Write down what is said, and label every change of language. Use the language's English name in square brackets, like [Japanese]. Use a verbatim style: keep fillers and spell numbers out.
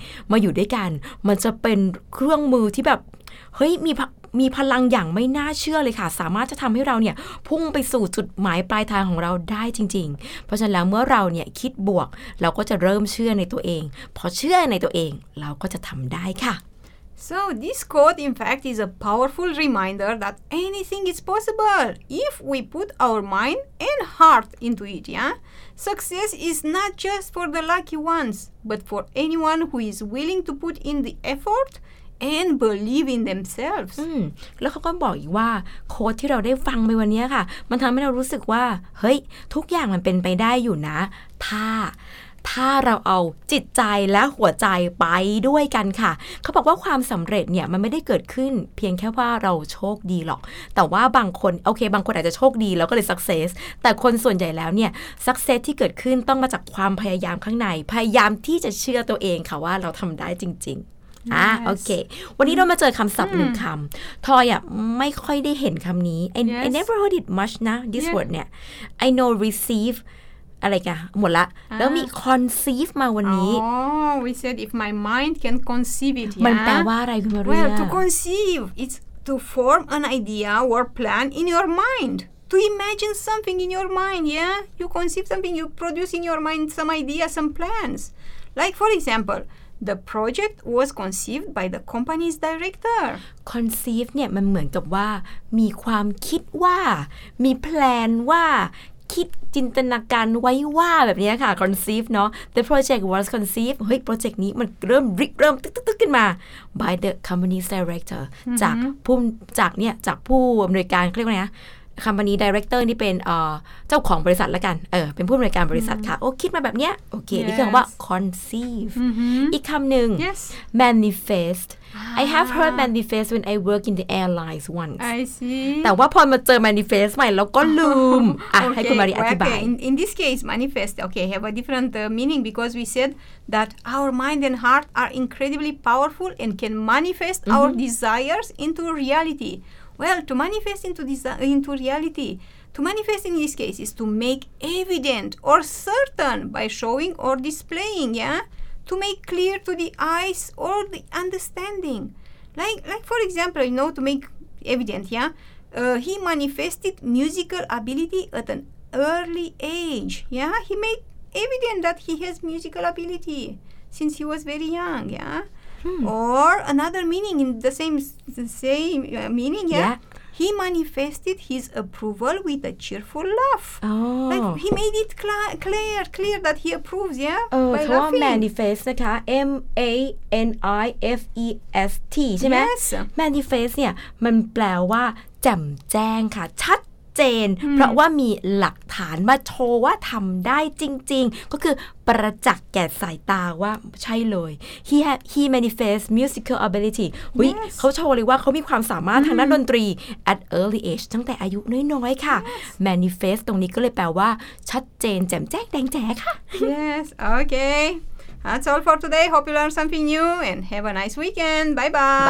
[Thai] มาอยู่ด้วยกันมันจะเป็นเครื่องมือที่แบบเฮ้ยมีมีพลังอย่างไม่น่าเชื่อเลยค่ะสามารถจะทำให้เราเนี่ยพุ่งไปสู่จุดหมายปลายทางของเราได้จริงๆเพราะฉะนั้นแล้วเมื่อเราเนี่ยคิดบวกเราก็จะเริ่มเชื่อในตัวเองพอเชื่อในตัวเองเราก็จะทำได้ค่ะ [English] So this quote in fact is a powerful reminder that anything is possible if we put our mind and heart into it yeah Success is not just for the lucky ones but for anyone who is willing to put in the effort and believe in themselves [Thai] อืมแล้วเขาก็บอกอีกว่าโค้ดที่เราได้ฟังไปวันนี้ค่ะมันทำให้เรารู้สึกว่าเฮ้ยทุกอย่างมันเป็นไปได้อยู่นะถ้าถ้าเราเอาจิตใจและหัวใจไป ด้วยกันค่ะเขาบอกว่าความสำเร็จเนี่ยมันไม่ได้เกิดขึ้นเพียงแค่ว่าเราโชคดีหรอกแต่ว่าบางคนโอเคบางคนอาจจะโชคดีแล้วก็เลยสักเซสแต่คนส่วนใหญ่แล้วเนี่ยสักเซสที่เกิดขึ้นต้องมาจากความพยายามข้างในพยายามที่จะเชื่อตัวเองค่ะว่าเราทำได้จริงๆอ่ะโอเควันนี้เรามาเจอคำศัพท์หนึ่งคำทอยอ่ะไม่ค่อยได้เห็นคำนี้ [English] I, yes. I never heard it much [Thai] นะ [English] this yeah. word [Thai] เนี่ย [English] I know receive [Thai] อะไรกันหมดละ [English] uh. [Thai] แล้วมี conceive มาวันนี้ [English] oh we said if my mind can conceive it [Thai] มันแปลว่าอะไรคุณมาเรีย [English] well to conceive it's to form an idea or plan in your mind to imagine something in your mind yeah you conceive something you produce in your mind some idea some plans like for example The project was conceived by the company's director. [Thai] Conceive เนี่ยมันเหมือนกับว่ามีความคิดว่ามีแพลนว่าคิดจินตนาการไว้ว่าแบบนี้ค่ะ conceive เนาะ [English] The project was conceived [Thai] เฮ้ยโปรเจกต์นี้มันเริ่มริเริ่มตึ๊กๆขึ้นมา [English] by the company's director [Thai] จากผู้จากเนี่ยจากผู้อำนวยการเรียกว่าไงcompany director นี่เป็นเอ่อเจ้าของบริษัทละกันเออเป็นผู้อำนวยการบริษัทค่ะโอ้คิดมาแบบเนี้ยโอเค yes. นี่คือคำว่า conceive mm-hmm. อีกคำหนึ่ง [English] yes. manifest ah. I have heard manifest when I work in the airlines once I see [Thai] แต่ว่าพอมาเจอ manifest ใหม่แล้วก็ลืม อ่ะ [English] okay. [Thai] ให้คุณมารีอธิบาย [English] okay. in, in this case manifest okay have a different uh, meaning because we said that our mind and heart are incredibly powerful and can manifest mm-hmm. our desires into reality Well, to manifest into, desi- into reality, to manifest in this case is to make evident or certain by showing or displaying, yeah? To make clear to the eyes or the understanding. Like, like for example, you know, to make evident, yeah? Uh, he manifested musical ability at an early age, yeah? He made evident that he has musical ability since he was very young, yeah? Hmm. Or another meaning in the same the same uh, meaning yeah? yeah he manifested his approval with a cheerful laugh oh. like he made it cl- clear clear that he approves yeah [Thai] เออ [English] by [Thai] เขาว่า manifest นะคะ M A N I F E S T ใช่ไหม [English] yes. [Thai] manifest เนี่ยมันแปลว่าแจ่มแจ้งค่ะชัดเจน hmm. เพราะว่ามีหลักฐานมาโชว์ว่าทำได้จริงๆก็คือประจักษ์แก่สายตาว่าใช่เลย [English] he had he manifest musical ability [Thai] วิ yes. เขาโชว์เลยว่าเขามีความสามารถ mm-hmm. ทางด้านดนตรี [English] at early age [Thai] ตั้งแต่อายุน้อยๆค่ะ yes. manifest ตรงนี้ก็เลยแปลว่าชัดเจนแจ่มแจ้งแดงแจ๋ค่ะ [English] yes okay that's all for today hope you learn something new and have a nice weekend bye bye